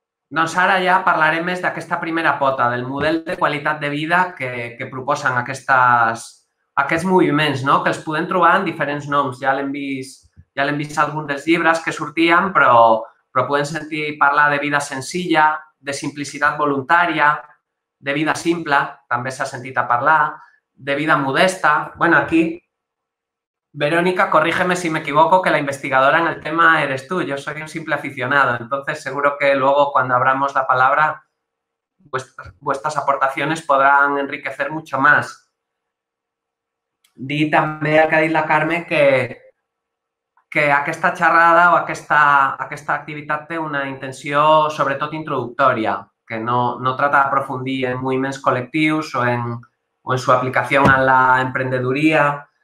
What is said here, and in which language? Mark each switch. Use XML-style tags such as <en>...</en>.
<ca>Doncs ara ja parlarem més d'aquesta primera pota, del model de qualitat de vida que proposen aquests moviments, no? Que els podem trobar en diferents noms. Ja l'hem vist en algun dels llibres que sortien, però podem sentir parlar de vida senzilla, de simplicitat voluntària, de vida simple, també s'ha sentit a parlar, de vida modesta.</ca> <es>Bueno, aquí, Verónica, corrígeme si me equivoco, que la investigadora en el tema eres tú. Yo soy un simple aficionado. Entonces, seguro que luego, cuando abramos la palabra, vuestras aportaciones podrán enriquecer mucho más.</es> <ca>Di també el que ha dit la Carme, que aquesta xerrada o aquesta activitat té una intenció sobretot introductòria, que no trata d'aprofundir en moviments col·lectius</ca> <es>o en su aplicación a la emprendeduría.</es>